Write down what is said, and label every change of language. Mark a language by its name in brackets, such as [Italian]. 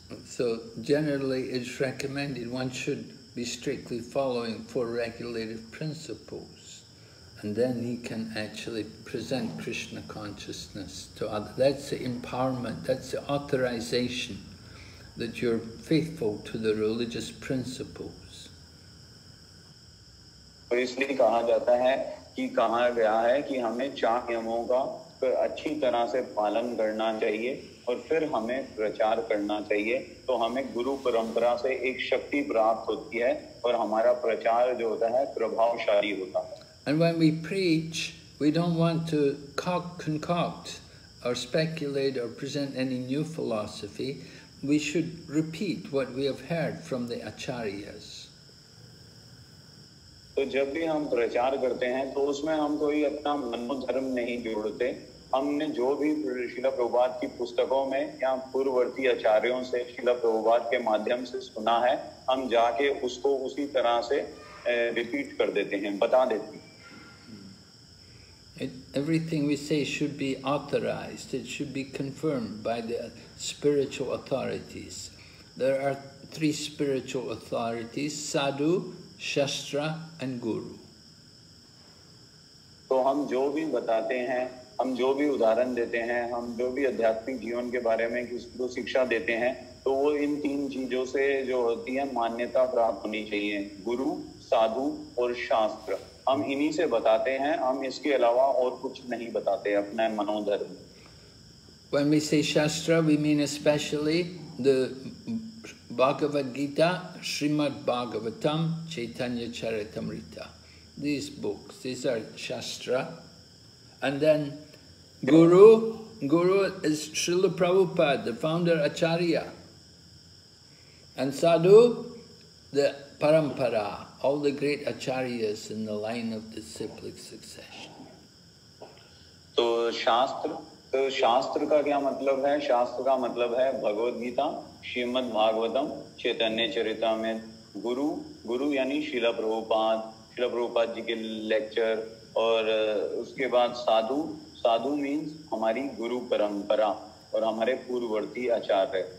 [English] So generally it's recommended one should be strictly following four regulative principles and then he can actually present Krishna consciousness to others. That's the empowerment, that's the authorization that you're faithful to the religious principle. [Hindi] और इसलिए कहा जाता है कि कहा गया है कि हमें चार नियमों का अच्छी तरह से पालन करना चाहिए और फिर हमें प्रचार करना चाहिए, तो हमें गुरु परंपरा से एक शक्ति प्राप्त होती है और हमारा प्रचार जो होता है प्रभावशाली होता है. [English] And when we preach, we don't want to concoct or speculate or present any new philosophy. We should repeat what we have heard from the acharyas. [Hindi] तो जब भी हम प्रचार करते हैं तो उसमें हम कोई अपना मनोधर्म नहीं जोड़ते. हमने जो भी श्रील प्रभुपाद की पुस्तकों में या पूर्ववर्ती आचार्यों से श्रील प्रभुपाद के माध्यम से सुना है, हम जाके उसको उसी तरह से रिपीट कर देते हैं, बता देते हैं. [English] Everything we say should be authorized, it should be confirmed by the spiritual authorities. There are three spiritual authorities, sadhu, Shastra and Guru. [Hindi] तो हम जो भी बताते हैं, हम जो भी उदाहरण देते हैं, हम जो भी आध्यात्मिक जीवन के बारे में किसी को शिक्षा देते हैं, तो वो इन तीन चीजों से जो होती है मान्यता प्राप्त होनी चाहिए, गुरु, साधु और शास्त्र. हम इन्हीं से बताते हैं, हम इसके अलावा और कुछ नहीं बताते अपने मनोधर्म. [English] When we say Shastra, we mean especially the Bhagavad Gita, Srimad Bhagavatam, Chaitanya Charitamrita. These books, these are Shastra. And then Guru, Guru is Srila Prabhupada, the founder Acharya. And Sadhu, the Parampara, all the great Acharyas in the line of the cyclic succession. [Hindi] So Shastra. तो शास्त्र का क्या मतलब है? शास्त्र का मतलब है भगवद गीता, श्रीमद् भागवतम, चैतन्य चरितामृत, गुरु, गुरु यानी शिला प्रभुपाद, शिला प्रभुपाद जी के लेक्चर, और उसके बाद साधु, साधु मीन्स हमारी गुरु परंपरा और हमारे पूर्ववर्ती आचार्य.